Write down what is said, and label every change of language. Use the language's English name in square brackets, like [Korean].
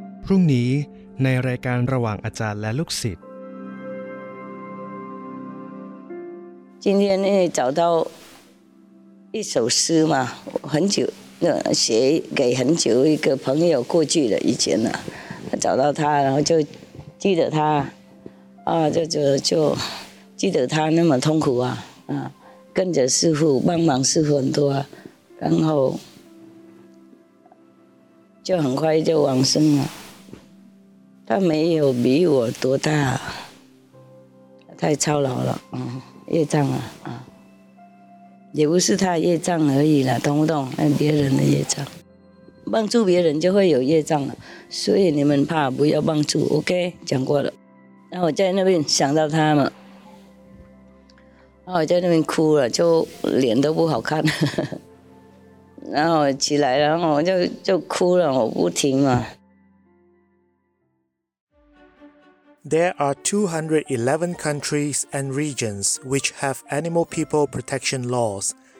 [Thai] พรุ่งนี้ในรายการระหว่างอาจารย์และลูกศิษย์ [Chinese] 今天找到一首诗嘛，我很久写给很久一个朋友过去了，以前了，找到他，然后就记得他，啊，就记得他那么痛苦啊，啊，跟着师父帮忙师父很多啊，然后就很快就往生了。他没有比我多大，太操劳了，嗯。业障啊，也不是他业障而已啦，懂不懂？别人的业障，帮助别人就会有业障了，所以你们怕不要帮助 ，OK？ 讲过了。然后我在那边想到他们，然后我在那边哭了，就脸都不好看。然后起来，然后我就哭了，我不停嘛。 [English] There are 211 countries and regions which have animal people protection laws.